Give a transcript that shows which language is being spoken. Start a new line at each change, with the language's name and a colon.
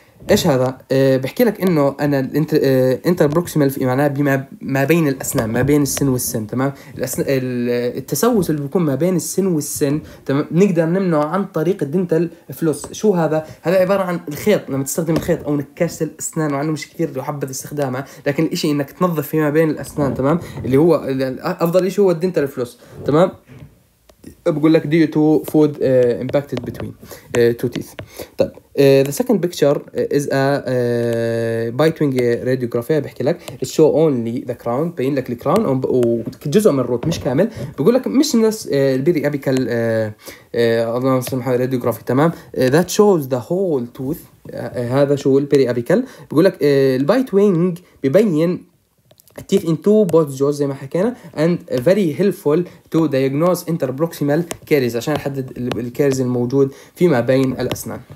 Arabic: ايش هذا؟ بحكي لك انه انا انتربروكسيمال في معناه بما ما بين الاسنان، ما بين السن والسن، تمام؟ التسوس اللي بيكون ما بين السن والسن، تمام، نقدر نمنعه عن طريق الدنتال فلوس. شو هذا؟ هذا عباره عن الخيط، لما تستخدم الخيط او نكاسه الاسنان، وعنه مش كثير يحبذ استخدامه، لكن الشيء انك تنظف فيما بين الاسنان، تمام، اللي هو افضل شيء هو الدنتال فلوس، تمام. بقول لك
English: due to food impacted between two teeth.
Arabic: طيب
English: the second picture is a bite wing radiography.
Arabic: بحكي لك
English: it show only the crown،
Arabic: بين لك الكراون وجزء من الروت مش كامل. بقول لك مش نفس البيري ابيكال اللهم صل على محمد radiography، تمام،
English: that shows the whole tooth.
Arabic: هذا شو البيري ابيكال؟ بقول لك البايت وينج ببين teeth in two both jaws زي ما حكينا،
English: and very helpful to diagnose interproximal caries
Arabic: عشان نحدد الكاريز الموجود فيما بين الأسنان.